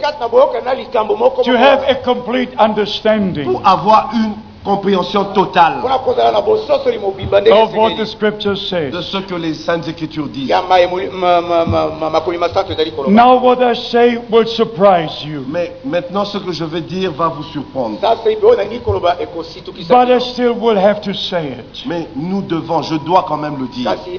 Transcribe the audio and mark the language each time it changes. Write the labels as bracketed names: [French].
[English] To have a complete understanding. [French] Pour avoir une compréhension totale [English] of what the scripture says. [French] De ce que les saintes écritures disent. [English] Now what I say will surprise you. [French] Mais maintenant ce que je vais dire va vous surprendre. [English] But I still will have to say it. [French] Mais nous devons, je dois quand même le dire.